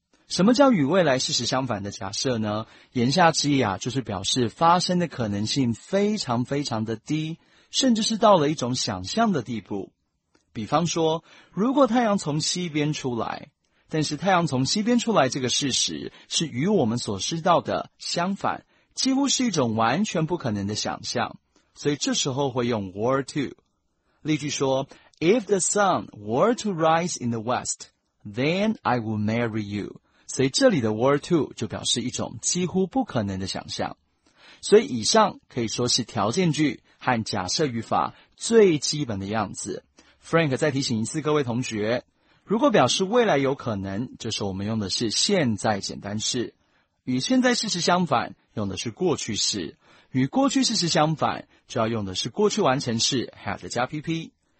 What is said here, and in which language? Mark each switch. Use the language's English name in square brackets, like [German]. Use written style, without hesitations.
[Chinese] 什么叫与未来事实相反的假设呢？言下之意啊，就是表示发生的可能性非常非常的低，甚至是到了一种想象的地步。比方说，如果太阳从西边出来，但是太阳从西边出来这个事实是与我们所知道的相反，几乎是一种完全不可能的想象，所以这时候会用 were to。例句说， [English] If the sun were to rise in the west, then I would marry you。 [Chinese] 所以这里的 were to 就表示一种几乎不可能的想象。所以以上可以说是条件句和假设语法最基本的样子。 Frank 再提醒一次各位同学，如果表示未来有可能，就是我们用的是现在简单式，与现在事实相反用的是过去式，与过去事实相反就要用的是过去完成式 had 加 PP。